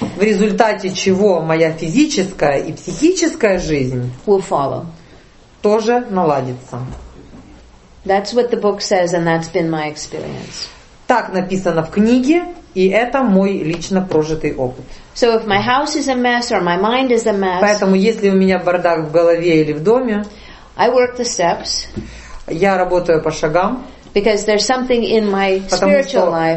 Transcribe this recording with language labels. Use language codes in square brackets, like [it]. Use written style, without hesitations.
[ru] В результате чего моя физическая и психическая жизнь [en] will follow. [ru] Тоже наладится. [en] That's what the book says, and that's been my experience. [ru] Так написано в книге, и это мой лично прожитый опыт. [en] So if my house is a mess or my mind is a mess. [ru] Поэтому если у меня бардак в голове или в доме, [en] I work the steps. [ru] Я работаю по шагам. [en] Because there's something in my spiritual life.